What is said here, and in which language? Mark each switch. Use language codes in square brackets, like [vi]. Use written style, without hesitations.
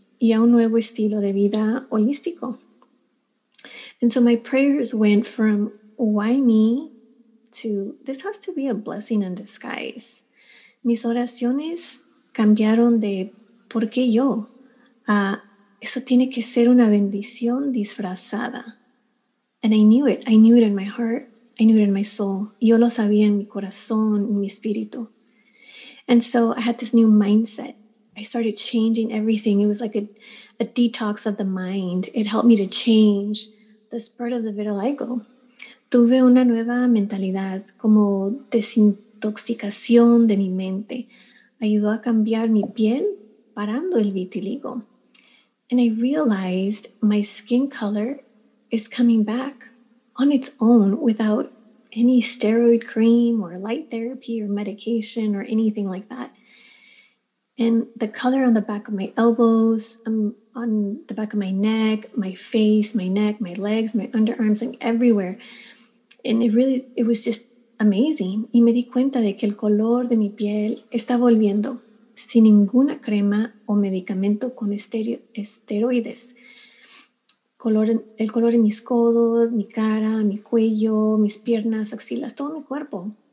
[es] Y a un nuevo estilo de vida holístico. [en] And so my prayers went from, why me? To, this has to be a blessing in disguise. [es] Mis oraciones cambiaron de ¿por qué yo? A eso tiene que ser una bendición disfrazada. [en] And I knew it in my heart, I knew it in my soul. [es] Yo lo sabía en mi corazón, en mi espíritu. [en] And so I had this new mindset. I started changing everything. It was like a detox of the mind. It helped me to change the spread of the vitiligo. [es] Tuve una nueva mentalidad, como desintoxicación de mi mente. Ayudó a cambiar mi piel, parando el vitiligo. [en] And I realized my skin color is coming back on its own without any steroid cream or light therapy or medication or anything like that. And the color on the back of my elbows, on the back of my neck, my face, my neck, my legs, my underarms, and everywhere. And it was just amazing. [es] Y me di cuenta de que el color de mi piel está volviendo sin ninguna crema o medicamento con esteroides. El color en mis codos, mi cara, mi cuello, mis piernas, axilas, todo mi cuerpo.